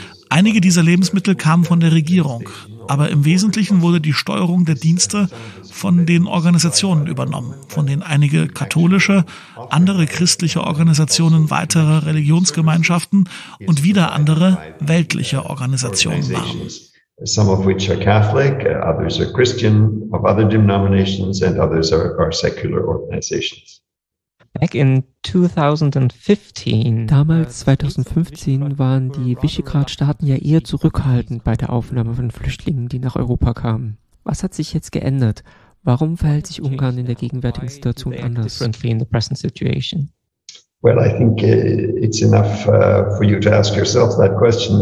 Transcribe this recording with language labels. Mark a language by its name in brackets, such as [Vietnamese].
[German] Einige dieser Lebensmittel kamen von der Regierung, aber im Wesentlichen wurde die Steuerung der Dienste von den Organisationen übernommen, von denen einige katholische, andere christliche Organisationen weiterer Religionsgemeinschaften und wieder andere weltliche Organisationen waren. [English] Some of which are Catholic, others are Christian, of other denominations, and others are secular organizations. Back in 2015. [German] Damals, 2015, waren die Visegrad-Staaten ja eher zurückhaltend bei der Aufnahme von Flüchtlingen, die nach Europa kamen. Was hat sich jetzt geändert? Warum verhält sich Ungarn in der gegenwärtigen Situation anders? [English] In the present situation? Well, I think it's enough for you to ask yourself that question.